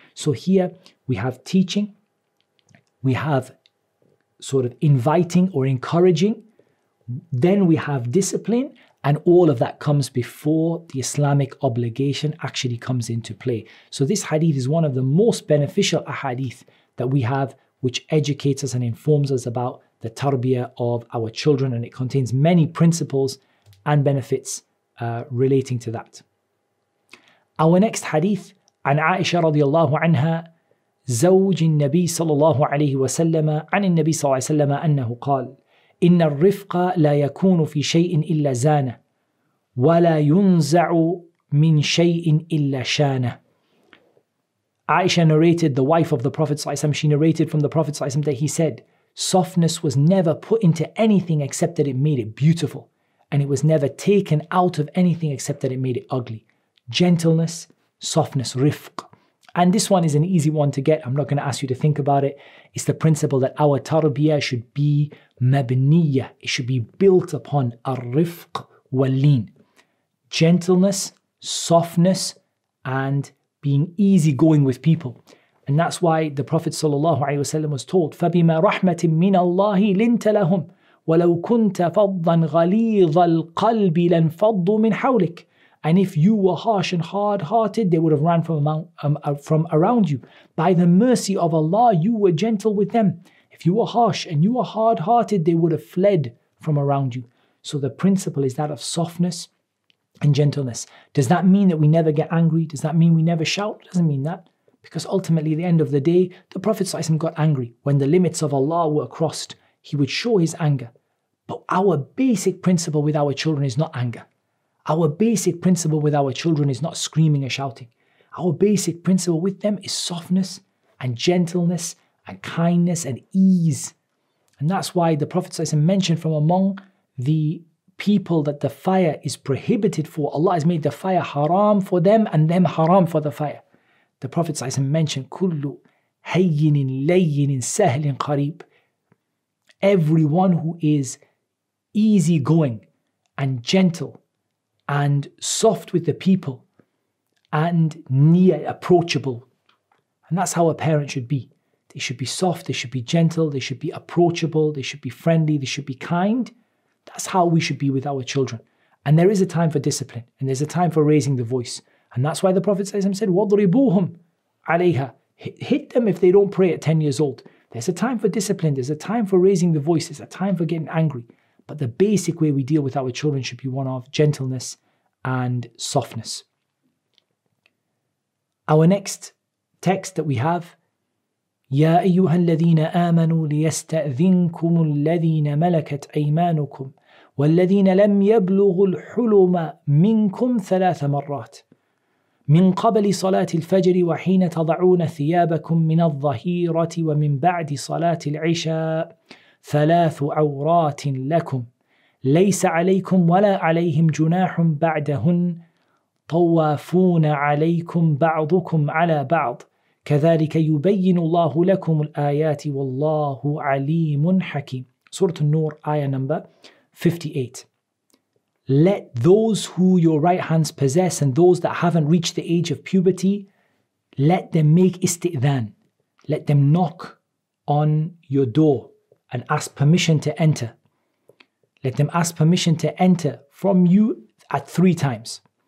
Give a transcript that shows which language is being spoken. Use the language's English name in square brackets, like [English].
[English] So here we have teaching, we have sort of inviting or encouraging, then we have discipline, and all of that comes before the Islamic obligation actually comes into play. So this hadith is one of the most beneficial ahadith that we have, which educates us and informs us about the tarbiyah of our children, and it contains many principles and benefits relating to that. Our next hadith, [Arabic] عن عائشة رضي الله عنها زوج النبي صلى الله عليه وسلم عن النبي صلى الله عليه وسلم أنه قال إن الرفق لا يكون في شيء إلا زانه ولا ينزع من شيء إلا شانه. [English] Aisha narrated, the wife of the Prophet [Arabic] صلى الله عليه وسلم, [English] she narrated from the Prophet صلى الله عليه وسلم that he said, softness was never put into anything except that it made it beautiful, and it was never taken out of anything except that it made it ugly. Gentleness, softness, rifq. And this one is an easy one to get. I'm not going to ask you to think about it. It's the principle that our tarbiyah should be mabniya. It should be built upon ar-rifq wal-leen. Gentleness, softness, and being easygoing with people. And that's why the Prophet ﷺ was told, [Arabic] فَبِمَا رَحْمَةٍ مِّنَ اللَّهِ لِنْتَ لَهُمْ وَلَوْ كُنْتَ فَضًّا غَلِيظَ الْقَلْبِ لَنْفَضُّ مِنْ حَوْلِكَ. [English] And if you were harsh and hard-hearted, they would have ran from around you. By the mercy of Allah, you were gentle with them. If you were harsh and you were hard-hearted, they would have fled from around you. So the principle is that of softness and gentleness. Does that mean that we never get angry? Does that mean we never shout? It doesn't mean that. Because ultimately, at the end of the day, the Prophet ﷺ got angry. When the limits of Allah were crossed, he would show his anger. But our basic principle with our children is not anger. Our basic principle with our children is not screaming or shouting. Our basic principle with them is softness and gentleness and kindness and ease. And that's why the Prophet ﷺ mentioned from among the people that the fire is prohibited for. Allah has made the fire haram for them and them haram for the fire. The Prophet ﷺ mentioned, [Arabic] كُلُّ هَيِّنٍ لَيِّنٍ سَهْلٍ قَرِيبٍ. [English] Everyone who is easygoing and gentle and soft with the people and near approachable. And that's how a parent should be. They should be soft, they should be gentle, they should be approachable, they should be friendly, they should be kind. That's how we should be with our children. And there is a time for discipline and there's a time for raising the voice. And that's why the Prophet ﷺ said, [Arabic] وَضْرِبُوهُمْ عَلَيْهَا. [English] Hit them if they don't pray at 10 years old. There's a time for discipline, there's a time for raising the voice, there's a time for getting angry. But the basic way we deal with our children should be one of gentleness and softness. Our next text that we have, [Arabic] يَا أَيُّهَا الَّذِينَ آمَنُوا لِيَسْتَأْذِنْكُمُ الَّذِينَ مَلَكَتْ أَيْمَانُكُمْ وَالَّذِينَ لَمْ يَبْلُغُوا الْحُلُمَ مِنْكُمْ ثَلَاثَ مَرَّاتٍ من قبل صلاة الفجر وحين تضعون ثيابكم من الظهيرة ومن بعد صلاة العشاء ثلاث عورات لكم ليس عليكم ولا عليهم جناح بعدهن طوافون عليكم بعضكم على بعض كذلك يبين الله لكم الآيات والله عليم حكيم. سورة النور آية نمبر 58. [English] Let those who your right hands possess and those that haven't reached the age of puberty, let them make istidhan. Let them knock on your door and ask permission to enter. Let them ask permission to enter from you at three times.